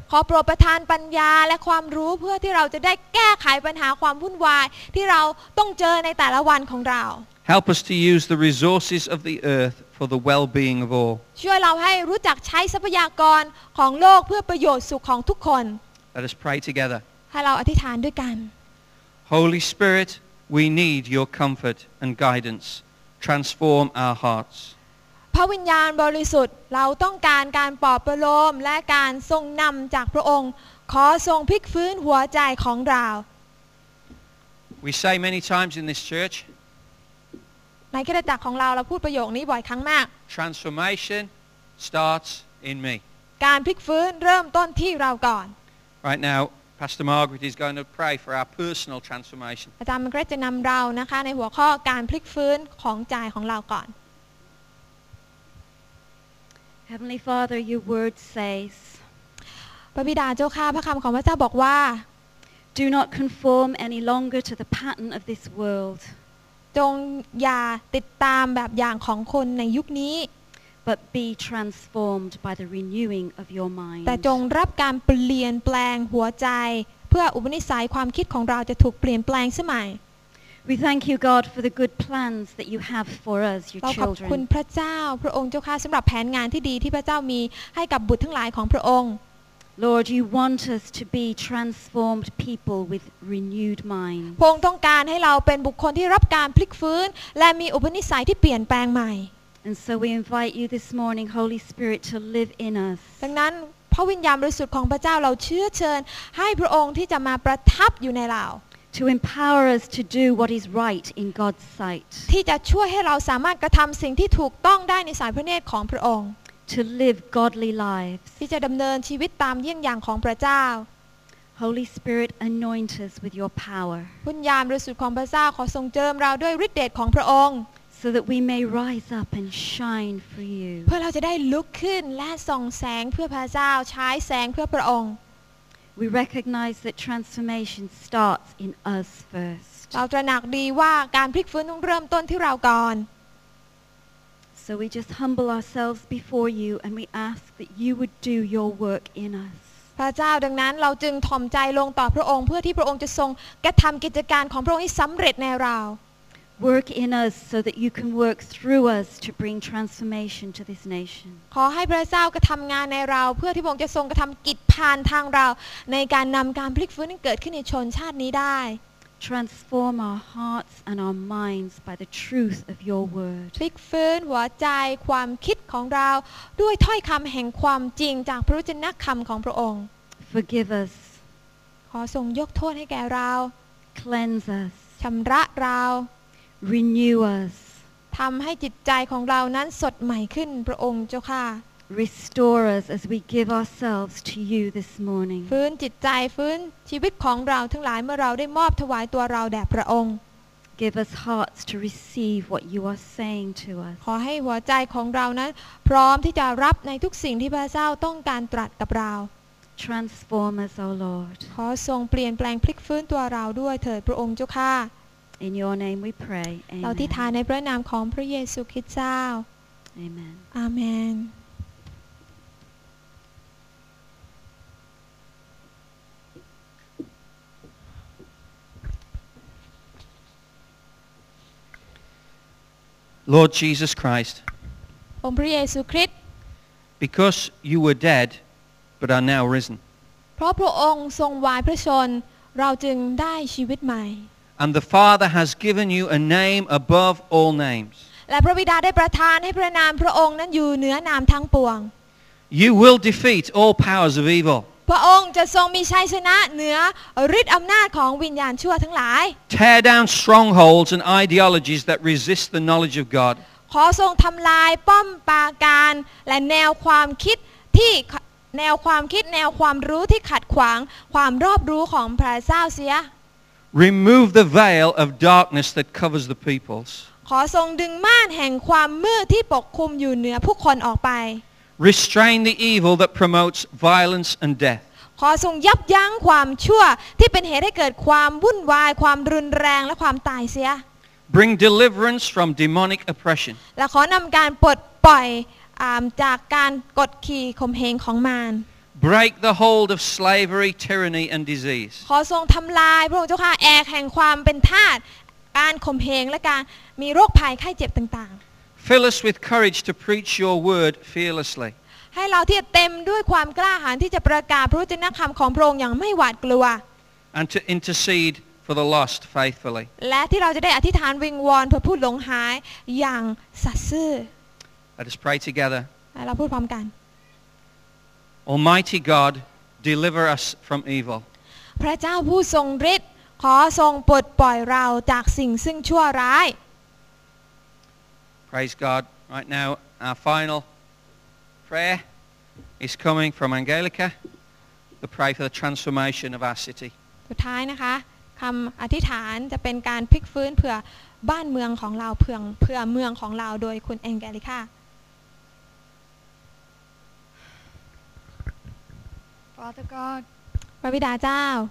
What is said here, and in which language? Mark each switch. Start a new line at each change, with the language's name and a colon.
Thai: ขอโปรดประทานปัญญาและความรู้เพื่อที่เราจะได้แก้ไขปัญหาความวุ่นวายที่เราต้องเจอในแต่ละวันของเรา
English: Help us to use the resources of the earth for the well-being of all.
Thai: ช่วยเราให้รู้จักใช้ทรัพยากรของโลกเพื่อประโยชน์สุขของทุกคน
English: Let us pray together.
Thai: ให้เราอธิษฐานด้วยกัน
English: Holy Spirit, we need your comfort and guidance. Transform our hearts.
Thai: พระวิญญาณบริสุทธิ์เราต้องการการปลอบประโลมและการทรงนำจากพระองค์ขอทรงพลิกฟื้นหัวใจของเรา
English: We say many times in this church.
Thai: ในคริสตจักรของเราเราพูดประโยคนี้บ่อยครั้งมาก
English: Transformation starts in me.
Thai: การพลิกฟื้นเริ่มต้นที่เราก่อน
English: Right now, Pastor Margaret is going to pray for our personal transformation.
Thai: อาจารย์มาเกรทจะนำเรานะคะในหัวข้อการพลิกฟื้นของใจของเราก่อน
English: Heavenly Father, your word says.
Thai: พระบิดาเจ้าค่ะพระคำของพระเจ้าบอกว่า
English: Do not conform any longer to the pattern of this world.
Thai: จงอย่าติดตามแบบอย่างของคนในยุคนี้
English: But be transformed by the renewing of your mind.
Thai: แต่จงรับการเปลี่ยนแปลงหัวใจเพื่ออุปนิสัยความคิดของเราจะถูกเปลี่ยนแปลงใช่ไหม
English: We thank you, God, for the good plans that you have for us, your children.
Thai: เราขอบคุณพระเจ้าพระองค์เจ้าค่ะสำหรับแผนงานที่ดีที่พระเจ้ามีให้กับบุตรทั้งหลายของพระองค์
English: Lord, you want us to be transformed people with renewed minds.
Thai: พระองค์ต้องการให้เราเป็นบุคคลที่รับการพลิกฟื้นและมีอุปนิสัยที่เปลี่ยนแปลงใหม่
English: And so we invite you this morning, Holy Spirit, to live in us.
Thai: ดังนั้นพระวิญญาณบริสุทธิ์ของพระเจ้าเราเชื่อเชิญให้พระองค์ที่จะมาประทับอยู่ในเรา
English: To empower us to do what is right in God's sight.
Thai: ที่จะช่วยให้เราสามารถกระทำสิ่งที่ถูกต้องได้ในสายพระเนตรของพระองค์
English: To live godly lives.
Thai: ที่จะดำเนินชีวิตตามเยี่ยงอย่างของพระเจ้า
English: Holy Spirit, anoint us with Your power.
Thai: วิญญาณบริสุทธิ์ของพระเจ้าขอทรงเจิมเราด้วยฤทธิ์เดชของพระองค์
English: So that we may rise up and shine for You.
Thai: เพื่อเราจะได้ลุกขึ้นและส่องแสงเพื่อพระเจ้าใช้แสงเพื่อพระองค์
English: We recognize that transformation starts in us first.
Thai: เราตระหนักดีว่าการพลิกฟื้นต้องเริ่มต้นที่เราก่อน
English: So we just humble ourselves before you and we ask that you would do your work in us.
Thai: พระเจ้าดังนั้นเราจึงถ่อมใจลงต่อพระองค์เพื่อที่พระองค์จะทรงกระทํากิจการของพระองค์ให้สําเร็จในเรา
English: Work in us so that you can work through us to bring transformation to this nation.
Thai: ขอให้พระเจ้ากระทํางานในเราเพื่อที่พระองค์จะทรงกระทํากิจผ่านทางเราในการนําการพลิกฟื้นให้เกิดขึ้นในชนชาตินี้ได้
English: Transform our hearts and our minds by the truth of your word.
Thai: พลิกฟื้นหัวใจความคิดของเราด้วยถ้อยคำแห่งความจริงจากพระวจนะคำของพระองค์
English: Forgive us.
Thai: ขอทรงยกโทษให้แก่เรา
English: Cleanse us.
Thai: ชำระเรา
English: Renew us.
Thai: ทำให้จิตใจของเรานั้นสดใหม่ขึ้นพระองค์เจ้าค่ะ
English: Restore us as we give ourselves to you this morning.
Thai: ฟื้นจิตใจฟื้นชีวิตของเราทั้งหลายเมื่อเราได้มอบถวายตัวเราแด่พระองค์
English: Give us hearts to receive what you are saying to us.
Thai: ขอให้หัวใจของเรานั้นพร้อมที่จะรับในทุกสิ่งที่พระเจ้าต้องการตรัสกับเรา
English: Transform us, O Lord.
Thai: ขอทรงเปลี่ยนแปลงพลิกฟื้นตัวเราด้วยเถิดพระองค์เจ้าค่ ะ
English: In your name we pray. Amen.
Thai: เราอธิษฐานในพระนามของพระเยซูคริสต์เจ้า
English: Amen. Amen. Lord Jesus Christ.
Thai: องค์พระเยซูคริสต์
English: Because you were dead but are now risen.
Thai: เพราะพระองค์ทรงวายพระชนเราจึงได้ชีวิตใหม่
English: And the Father has given you a name above all names.
Thai: และพระบิดาได้ประทานให้พระนามพระองค์นั้นอยู่เหนือนามทั้งปวง
English: You will defeat all powers of evil.
Thai: พระองค์จะทรงมีชัยชนะเหนือฤทธิ์อำนาจของวิญญาณชั่วทั้งหลาย
English: Tear down strongholds and ideologies that resist the knowledge of God.
Thai: ขอทรงทำลายป้อมปราการและแนวความคิดที่แนวความคิดแนวความรู้ที่ขัดขวางความรอบรู้ของพระเจ้าเสีย
English: Remove the veil of darkness that covers the peoples.
Thai: ขอทรงดึงม่านแห่งความมืดที่ปกคลุมอยู่เหนือผู้คนออกไป
English: Restrain the evil that promotes violence and death.
Thai: ขอทรงยับยั้งความชั่วที่เป็นเหตุให้เกิดความวุ่นวายความรุนแรงและความตายเสีย
English: Bring deliverance from demonic oppression.
Thai: และขอนำการปลดปล่อยจากการกดขี่ข่มเหงของมาร
English: Break the hold of slavery, tyranny, and disease.
Thai: ขอทรงทำลายพระองค์เจ้าค่ะแอกแห่งความเป็นทาสการข่มเหงและการมีโรคภัยไข้เจ็บต่างๆ
English: Fill us with courage to preach your word fearlessly.
Thai: ให้เราที่เต็มด้วยความกล้าหาญที่จะประกาศพระวจนะคำของพระองค์อย่างไม่หวาดกลัว
English: And to intercede for the lost faithfully.
Thai: และที่เราจะได้อธิษฐานวิงวอนเพื่อผู้หลงหายอย่างสัตย์ซื่อ
English: Let us pray together.
Thai: เราพูดพร้อมกัน
English: Almighty God, deliver us from evil.
Thai: พระเจ้าผู้ทรงฤทธิ์ขอทรงปลดปล่อยเราจากสิ่งซึ่งชั่วร้าย
English: Praise God. Right now, our final prayer is coming from Angelica to pray for the transformation of our city.
Thai: สุดท้ายนะคะคำอธิษฐานจะเป็นการพลิกฟื้นเผื่อบ้านเมืองของเราเพื่อเมืองของเราโดยคุณแองเจลิก้า
English: Father God
Thai: พระบิดาเจ้า